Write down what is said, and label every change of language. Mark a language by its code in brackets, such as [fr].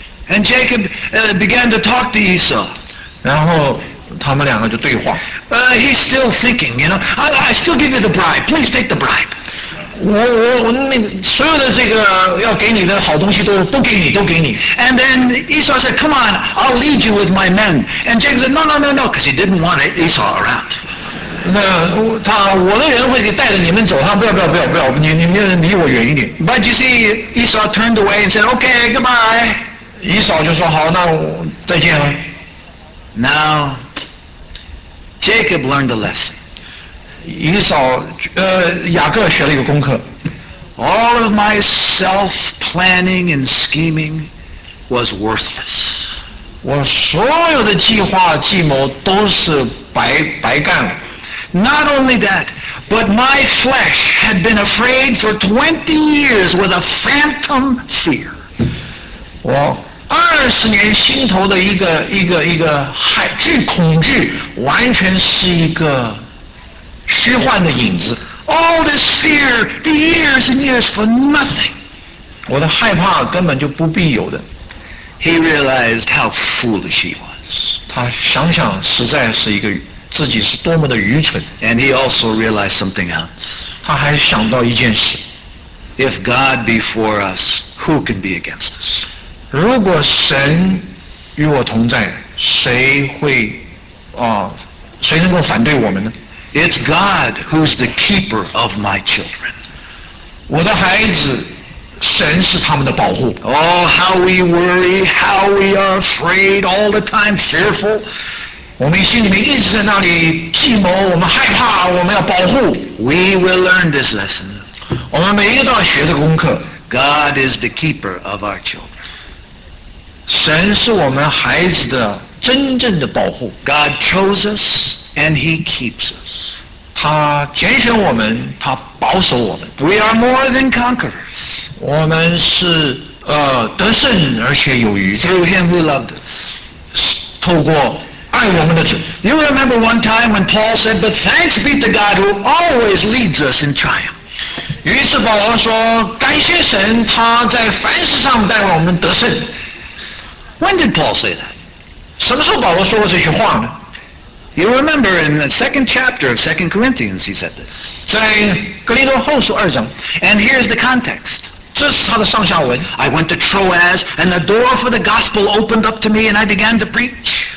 [en] And Jacob began to talk to Esau. [zh] 然后他们两个就对话。 [en] He's still thinking, you know. I still give you the bribe. Please take the bribe. [zh] 我那所有的这个要给你的好东西都给你，都给你。 [en] And then Esau said, "Come on, I'll lead you with my men." And Jacob said, "No," because he didn't want Esau around. [zh] 那他我的人会带着你们走，他不要，你离我远一点。 [en] But you see, Esau turned away and said, "Okay, goodbye." [zh] 以扫就说好，那我再见了。 [en] Now, Jacob learned a lesson. [zh] 以扫雅各学了一个功课。 [en] All of my self planning and scheming was worthless. [zh] 我所有的计划计谋都是白干了。 [en] Not only that, but my flesh had been afraid for 20 years with a phantom fear. [zh] 我二十年心头的一个害惧恐惧，完全是一个虚幻的影子。 [en] All this fear, the years and years for nothing. [zh] 我的害怕根本就不必有的。 [en] He realized how foolish he was. [zh] 他想想，实在是一个。自己是多么的愚蠢。 [en] And he also realized something else. [zh] 他还想到一件事。 [en] If God be for us, who can be against us? [zh] 如果神与我同在，谁会谁能够反对我们呢？ [en] It's God who's the keeper of my children. [zh] 我的孩子，神是他们的保护。 [en] Oh, how we worry, how we are afraid, all the time fearful. [zh] 我们心里面一直在那里计谋，我们害怕，我们要保护。 [en] We will learn this lesson. [zh] 我们每一个都要学这个功课。 [en] God is the keeper of our children. [zh] 神是我们孩子的真正的保护。 [en] God chose us and He keeps us. [zh] 他拣选我们，他保守我们。 [en] We are more than conquerors. [zh] 我们是得胜而且有余。 [en] Through Him we loved us. [zh] 透过 [en] You remember one time when Paul said, "But thanks be to God who always leads us in triumph." [zh] 于是保罗说，感谢神，他在凡事上带我们得胜。 [en] When did Paul say that? [zh] 什么时候保罗说过这句话呢？ [en] You remember in the second chapter of 2 Corinthians, he said this. [zh] 在哥林多后书二章。 [en] And here's the context. [zh] 这是他的上下文。 [en] I went to Troas, and the door for the gospel opened up to me, and I began to preach.